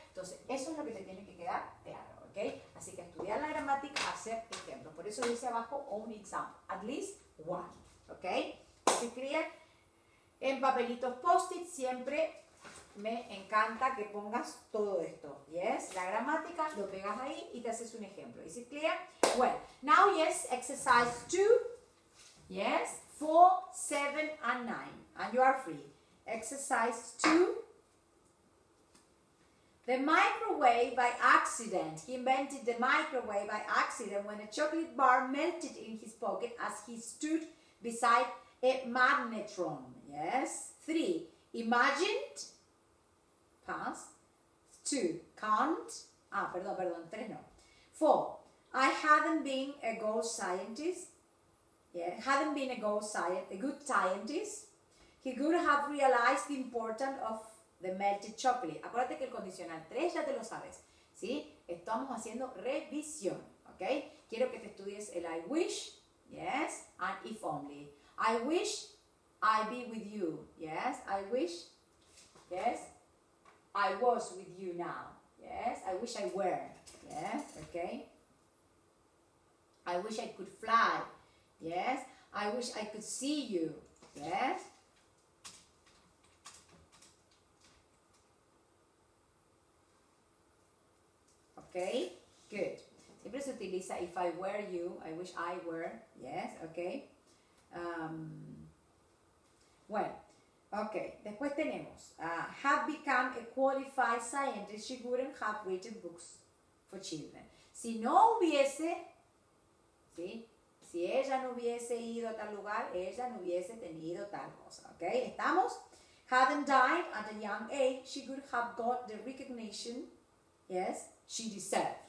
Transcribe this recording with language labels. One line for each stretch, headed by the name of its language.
Spanish: Entonces, eso es lo que te tiene que quedar claro, ¿ok? Así que estudiar la gramática, hacer ejemplos. Por eso dice abajo, un
English: example, at least one,
Spanish: ¿ok? ¿Es clear? En papelitos post-it siempre me encanta que pongas todo esto, ¿yes? La gramática, lo pegas ahí y te haces un ejemplo. ¿Es clear?
English: Well, now yes, exercise 2, yes, 4, 7, and 9, and you are free. Exercise 2. The microwave by accident. He invented the microwave by accident when a chocolate bar melted in his pocket as he stood beside a magnetron. Yes? 3. Imagined. Past. 2. Can't.
Spanish: Ah, perdón.
English: 3 no. 4. I haven't been a ghost scientist. Yeah, haven't been a ghost scientist, a good scientist. He could have realized the importance of the melted chocolate.
Spanish: Acuérdate que el condicional 3 ya te lo sabes, ¿sí? Estamos haciendo revisión, ¿ok? Quiero que te estudies el
English: I wish, yes, and if only. I wish I be with you, yes, I wish, yes, I was with you now, yes, I wish I were, yes, ¿ok? I wish I could fly, yes, I wish I could see you, yes. Okay, good.
Spanish: Siempre se utiliza
English: if I were you, I wish I were. Yes, okay. Well, okay.
Spanish: Después tenemos,
English: have become a qualified scientist, she wouldn't have written books for children.
Spanish: Si no hubiese, ¿sí? Si ella no hubiese ido a tal lugar, ella no hubiese tenido tal cosa. ¿Okay? ¿Estamos?
English: Hadn't died at a young age, she could have got the recognition, yes, she deserved.